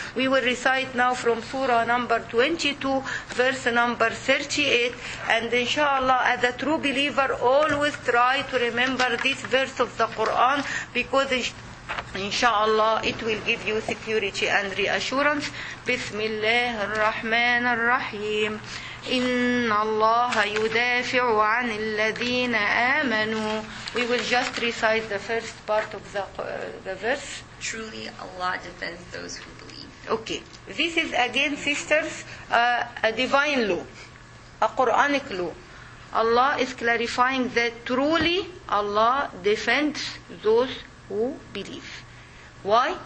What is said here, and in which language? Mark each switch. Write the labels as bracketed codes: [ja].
[en] We will recite now from Surah number 22, verse number 38. And inshallah, as a true believer, always try to remember this verse of the Quran, because inshallah, it will give you security and reassurance. [ar] Bismillah ar-Rahman ar-Rahim. إن الله يدافع عن الذين آمنوا. [en] We will just recite the first part of the verse. Truly, Allah defends those who believe. Okay. This is again, sisters, a divine law, a Quranic law. Allah is clarifying that truly Allah defends those who believe. Why?